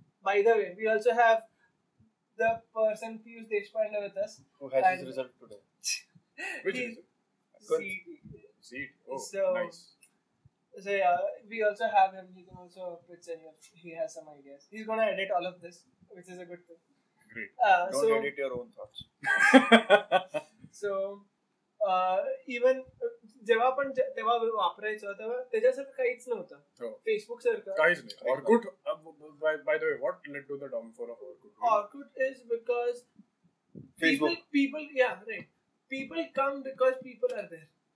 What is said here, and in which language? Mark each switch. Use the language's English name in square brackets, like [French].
[English] By the way, we also have the person Piyush Deshpande with us. Who has his result today? Which is CET. CET. Oh, so, nice. So yeah, we also have him. He can also pitch in here. He has some ideas. He's gonna edit all of this, which is a good thing. Great. Don't so, edit your own thoughts. So, even [Marathi] जेवा पण तेवा वापरायचं होतं त्याच्यासारखं काहीच नव्हतं. Facebook सारखं काहीच नाही. [English] Orkut by the way what led to the downfall of Orkut. Orkut is because people yeah right people come because people are there.